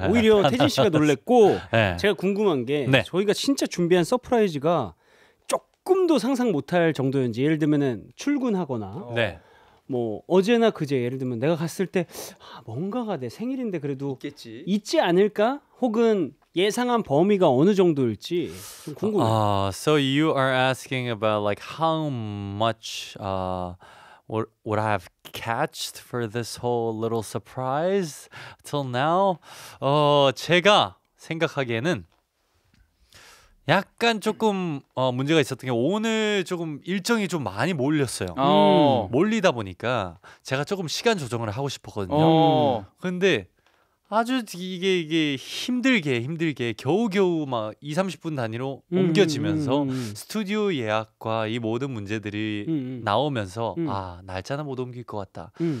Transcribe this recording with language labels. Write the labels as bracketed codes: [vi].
[ko] 오히려 태진 씨가 놀랬고 네. 제가 궁금한 게 네. 저희가 진짜 준비한 서프라이즈가 조금도 상상 못할 정도였는지 예를 들면은 출근하거나 네. 뭐 어제나 그제 예를 들면 내가 갔을 때 아, 뭔가가 내 생일인데 그래도 있겠지. 있지 않을까? 혹은 예상한 범위가 어느 정도일지 좀 궁금해요. [en] So you are asking about like how much what I have catched for this whole little surprise till now. [ko] 제가 생각하기에는 약간 조금 문제가 있었던 게 오늘 조금 일정이 좀 많이 몰렸어요. 몰리다 보니까 제가 조금 시간 조정을 하고 싶었거든요. 근데 아주 이게 힘들게 겨우겨우 막 2, 30분 단위로 옮겨지면서 스튜디오 예약과 이 모든 문제들이 나오면서 아, 날짜는 못 옮길 것 같다.